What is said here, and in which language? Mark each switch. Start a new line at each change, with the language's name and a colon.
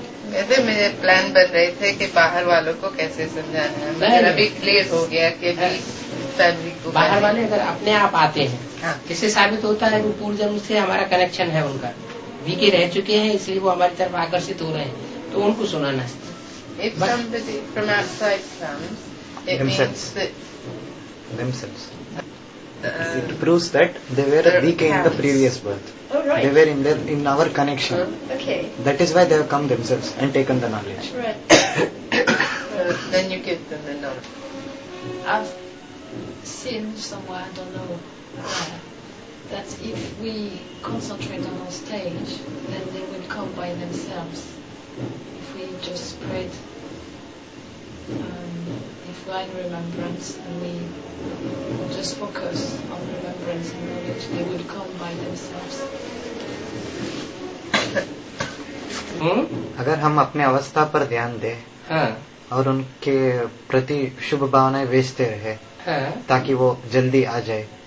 Hindi: वैसे मेरे प्लान बन रहे थे कि बाहर वालों को कैसे समझाना है, मगर अभी क्लियर हो गया कि भी फैमिली को. बाहर वाले अगर अपने आप आते हैं किससे साबित होता है कि पूर्व जन्म से हमारा कनेक्शन है उनका. वीके रह चुके हैं इसलिए वो हमारी तरफ आकर्षित हो रहे हैं तो उनको सुनाना है.
English: If somebody from outside comes, it themselves. It proves that they were a weak in the previous birth. Oh, right. They were in our connection. Okay. That is why they have come themselves and taken the knowledge. Right. then you give them the knowledge. I've seen somewhere, I don't know, that if we concentrate on our stage, then they will come by themselves. If we just spread divine remembrance and we just focus on remembrance and knowledge, they would come by themselves.
Hindi: अगर हम अपने अवस्था पर ध्यान दें और उनके प्रति शुभ भावनाएं भेजते रहे ताकि वो जल्दी आ जाए